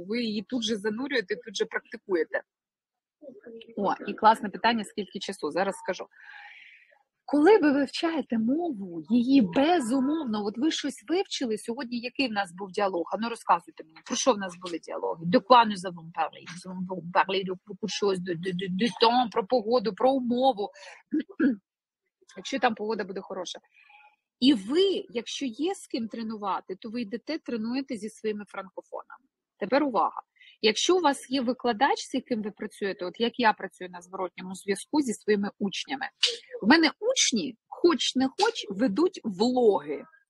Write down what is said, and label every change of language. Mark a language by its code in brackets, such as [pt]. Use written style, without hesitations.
[uk] Ви її тут же занурюєте, тут же практикуєте. О, і класне питання, скільки часу, зараз скажу. Коли ви вивчаєте мову, її безумовно, от ви щось вивчили, сьогодні який в нас був діалог? Ану, розказуйте мені, про що в нас були діалоги? [fr] De quoi nous avons parlé? Nous avons parlé de beaucoup de choses, de temps, [uk] про погоду, про умову. якщо там погода буде хороша. І ви, якщо є з ким тренувати, то ви йдете тренуєте зі своїми франкофонами. Тепер увага. Якщо у вас є викладач, з яким ви працюєте, от як я працюю на зворотньому зв'язку зі своїми учнями, в мене учні, хоч не хоч, ведуть влоги.